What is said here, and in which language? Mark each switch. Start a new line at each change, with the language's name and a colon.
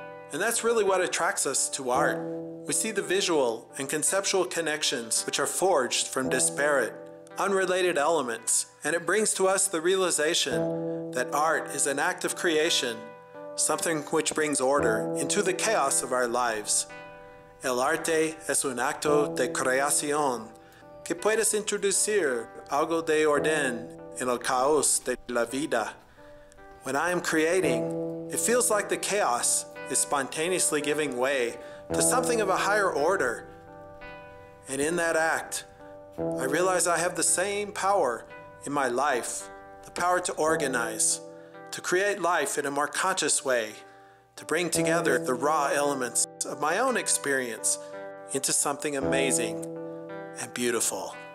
English: And that's really what attracts us to art. We see the visual and conceptual connections which are forged from disparate, unrelated elements, and it brings to us the realization that art is an act of creation, something which brings order into the chaos of our lives.
Spanish: El arte es un acto de creación que puedes introducir algo de orden en el caos de la vida.
English: When I am creating, it feels like the chaos is spontaneously giving way to something of a higher order. And in that act, I realize I have the same power in my life, the power to organize, to create life in a more conscious way, to bring together the raw elements of my own experience into something amazing and beautiful.